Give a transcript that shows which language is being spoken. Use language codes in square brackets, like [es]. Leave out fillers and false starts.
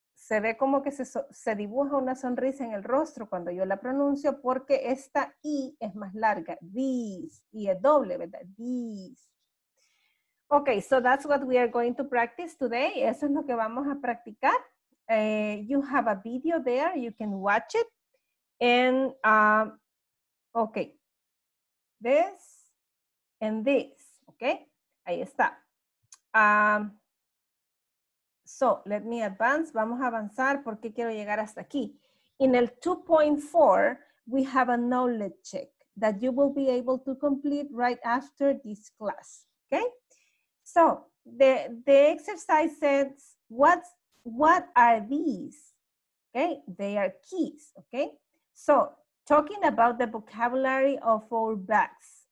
[es] Se ve como que se dibuja una sonrisa en el rostro cuando yo la pronuncio porque esta I es más larga. These. Y es doble, ¿verdad? These. [en] Okay, so that's what we are going to practice today. [es] Eso es lo que vamos a practicar. [en] You have a video there. You can watch it. And, okay. This and this. [es] Okay, ahí está. [en] So, let me advance. [es] Vamos a avanzar porque quiero llegar hasta aquí. [en] In el 2.4, we have a knowledge check that you will be able to complete right after this class. Okay? So, the exercise says, what are these? Okay, they are keys, okay? So, talking about the vocabulary of our bags.